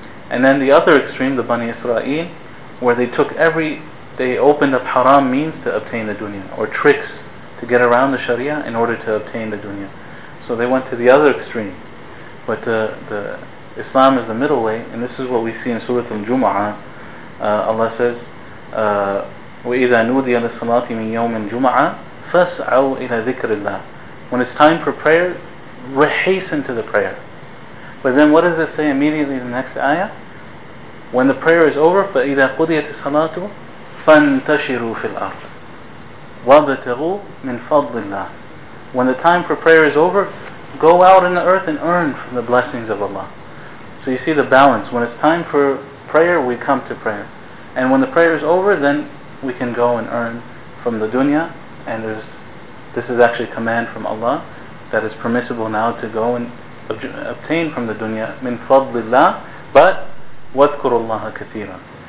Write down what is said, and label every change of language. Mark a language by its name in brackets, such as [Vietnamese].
[English] And then the other extreme, the Bani Israel, where they opened up haram means to obtain the dunya, or tricks to get around the Sharia in order to obtain the dunya. So they went to the other extreme. But the Islam is the middle way, and this is what we see in Surah Al-Jumu'ah. Allah says, [Arabic] وَإِذَا نُودِيَ لِلصَّلَاةِ مِنْ يَوْمٍ جُمُعَةٍ فَاسْعَوْا إِلَى ذِكْرِ اللَّهِ. [English] When it's time for prayer, hasten to the prayer. But then what does it say immediately in the next ayah? When the prayer is over, [Arabic] فَإِذَا قُضِيَتِ الصَّلَاةُ فَانْتَشِرُوا فِي الْأَرْضِ وَابْتَغُوا مِنْ فَضْلِ اللَّهِ. [English] When the time for prayer is over, go out in the earth and earn from the blessings of Allah. So you see the balance. When it's time for prayer, we come to prayer. And when the prayer is over, then we can go and earn from the dunya. And this is actually a command from Allah that is permissible now to go and obtain from the dunya min fadlillah, but wadhkurullaha kathiran.